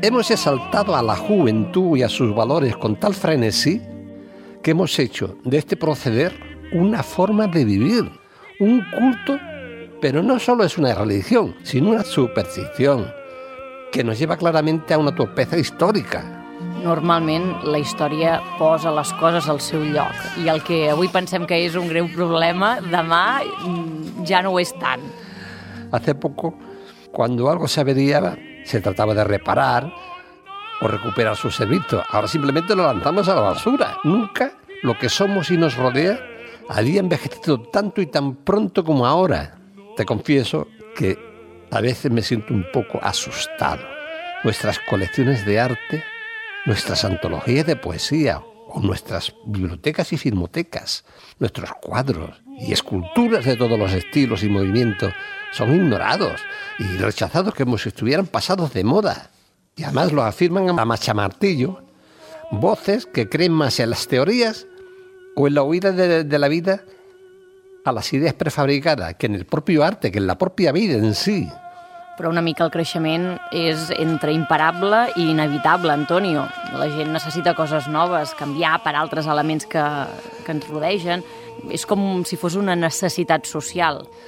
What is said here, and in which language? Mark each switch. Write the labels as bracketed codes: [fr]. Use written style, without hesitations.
[es] Hemos exaltado a la juventud y a sus valores con tal frenesí que hemos hecho de este proceder una forma de vivir, un culto, pero no solo es una religión, sino una superstición que nos lleva claramente a una torpeza histórica. [ca] Normalment, la història posa les coses al seu lloc i el que avui pensem que és un greu problema, demà ja no ho és tant. [es] Hace poco, cuando algo se averiaba, se trataba de reparar o recuperar su servicio. Ahora simplemente lo lanzamos a la basura. Nunca lo que somos y nos rodea había envejecido tanto y tan pronto como ahora. Te confieso que a veces me siento un poco asustado. Nuestras colecciones de arte, nuestras antologías de poesía, o nuestras bibliotecas y filmotecas, nuestros cuadros y esculturas de todos los estilos y movimientos son ignorados y rechazados como si estuvieran pasados de moda. Y además lo afirman a machamartillo voces que creen más en las teorías o en la huida de la vida a las ideas prefabricadas que en el propio arte, que en la propia vida en sí. [ca] Però una mica el creixement és entre imparable i inevitable, Antonio. La gent necessita coses noves, canviar per altres elements que ens rodegen. És com si fos una necessitat social.